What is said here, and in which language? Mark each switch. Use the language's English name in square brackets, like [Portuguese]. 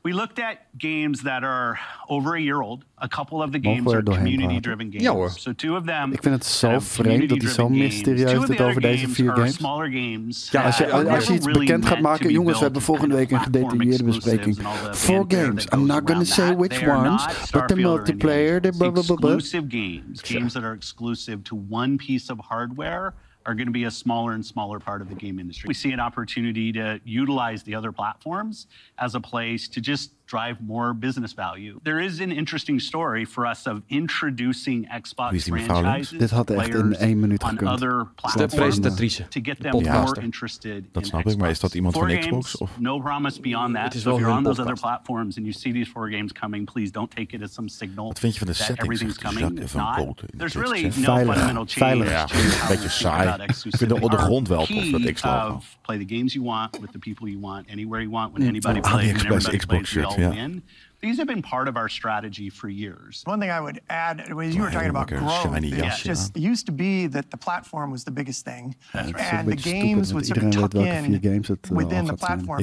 [English] We looked at games that are over a year old. A couple of the games are community-driven games. [Dutch] Ja, hoor. [English] So two of them, [Dutch] ik vind het zo vreemd dat hij zo mysterieus doet over deze 4 games. Ja, als je iets bekend gaat maken... Jongens, we hebben volgende week een gedetailleerde bespreking. 4 games. [English] I'm not going to say which ones, but the multiplayer... Exclusive games. Games that are exclusive to one piece of hardware are going to be a smaller and smaller part of the game industry. We see an opportunity to utilize the other platforms as a place to just... drive more business value. There is an interesting story for us of introducing Xbox franchises. [Dutch] Dit had echt in 1 minuut gekund. De presentatrice. [English] To get them more interested in Xbox. [Dutch] Dat snap ik, maar is dat iemand van Xbox? Of? [English] No promise beyond that. So if you're on those other platforms and you see these 4 games coming, please don't take it as some signal. [Dutch] Wat vind je van de settings? Zegt de Jacques van Colt. [English] There's really no fundamental change. [Dutch] Een beetje saai. Ik vind de grond wel tof, dat Xbox logo. [English] Play the games you want, with the people you want, anywhere you want, when anybody plays, when everybody plays. Xbox shit. All win. These have been part of our strategy for years. One thing I would add, when you were talking about growth, it used to be that the platform was the biggest thing. And the games would sort of tuck in within the platform.